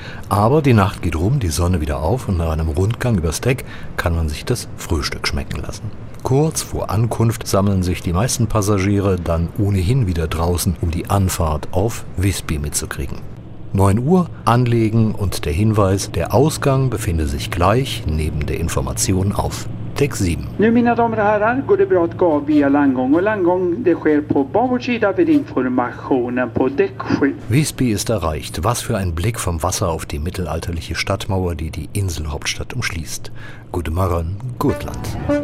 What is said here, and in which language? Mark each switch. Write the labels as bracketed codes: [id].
[de] Aber die Nacht geht rum, die Sonne wieder auf und nach einem Rundgang übers Deck kann man sich das Frühstück schmecken lassen. Kurz vor Ankunft sammeln sich die meisten Passagiere dann ohnehin wieder draußen, um die Anfahrt auf Visby mitzukriegen. 9 Uhr, anlegen und der Hinweis, der Ausgang befinde sich gleich neben der Information auf. [sv] Nu mina damer och herrar går det bra att gå via landgång och landgång det sker på babordsida vid informationen på deck 7. [de] Visby ist erreicht. Was für ein Blick vom Wasser auf die mittelalterliche Stadtmauer, die die Inselhauptstadt umschließt. Guten Morgen, Gotland.